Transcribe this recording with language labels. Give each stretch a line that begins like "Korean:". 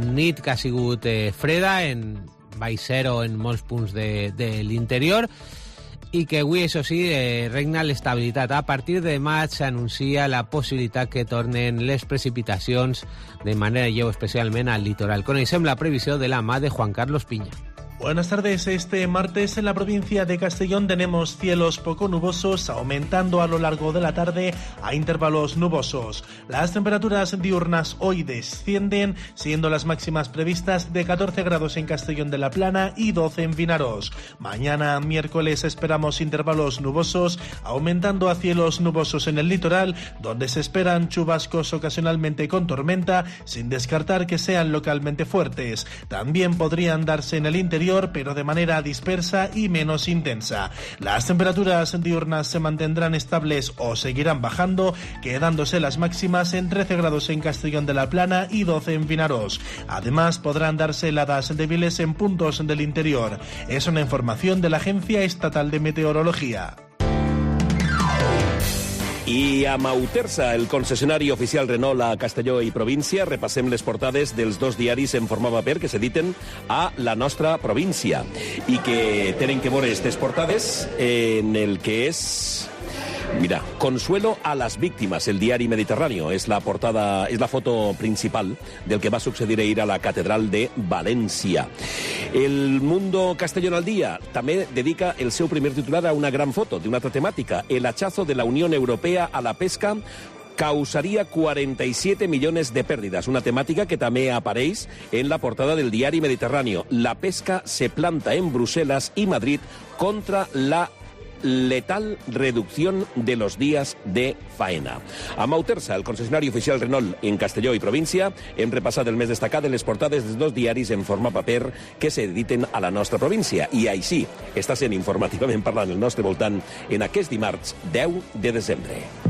Catalan: Nit que ha sigut freda, en baix zero en molts punts de l'interior, i que avui, això sí, regna l'estabilitat. A partir de maig s'anuncia la possibilitat que tornen les precipitacions de manera lleu, especialment al litoral. Coneixem la previsió de la mà de Juan Carlos Piña.
Spanish: Buenas tardes. Este martes en la provincia de Castellón tenemos cielos poco nubosos, aumentando a lo largo de la tarde a intervalos nubosos. Las temperaturas diurnas hoy descienden, siendo las máximas previstas de 14 grados en Castellón de la Plana y 12 en Vinaròs. Mañana, miércoles, esperamos intervalos nubosos, aumentando a cielos nubosos en el litoral, donde se esperan chubascos ocasionalmente con tormenta, sin descartar que sean localmente fuertes. También podrían darse en el interior, pero de manera dispersa y menos intensa. Las temperaturas diurnas se mantendrán estables o seguirán bajando, quedándose las máximas en 13 grados en Castellón de la Plana y 12 en Vinaròs. Además, podrán darse heladas débiles en puntos del interior. Es una información de la Agencia Estatal de Meteorología.
Catalan: I a Mauterza, el concessionari oficial Renault a Castelló i província, repassem les portades dels dos diaris en forma paper que s'editen a la nostra província i que tenen que veure aquestes portades en el que és... Mira,
Spanish: consuelo a las víctimas,
Catalan: el diari Mediterráneo, és la portada, és la foto principal del que va succeir ahir a la catedral de València. El Mundo Castellón al Día també dedica el seu primer titular a una gran foto d'una altra temàtica,
Spanish: el hachazo de la Unión Europea a la pesca causaría 47 millones de pérdidas. Una temática que también aparece en la portada del diari Mediterráneo. La pesca se planta en Bruselas y Madrid contra la letal reducción de los días de faena.
Catalan: A Mauterza,
Spanish: el concesionario oficial Renault en Castelló y provincia,
Catalan: hem repasat el més destacat en les portades dels dos diaris en forma paper que s'editen a la nostra província. I així està sent informativament parlant el nostre voltant en aquest dimarts 10 de desembre.